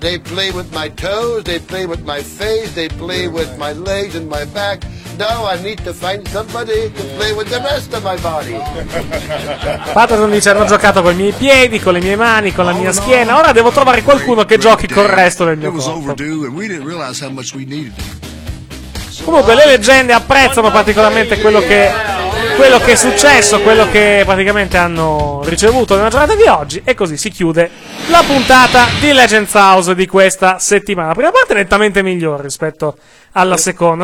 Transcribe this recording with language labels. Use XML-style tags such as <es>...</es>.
<en>They play with my toes, they play with my face, they play with my legs and my back. Now I need to find somebody to play with the rest of my body.</en> <it>Patterson dice, hanno giocato con i miei piedi, con le mie mani, con la mia schiena. Ora devo trovare qualcuno che giochi col resto del mio corpo.</it> <en>It was overdue and we didn't realize how much we needed.</en> <it>Comunque le leggende apprezzano particolarmente quello che è successo, quello che praticamente hanno ricevuto nella giornata di oggi. E così si chiude la puntata di Legends House di questa settimana. La prima parte è nettamente migliore rispetto alla seconda.</it>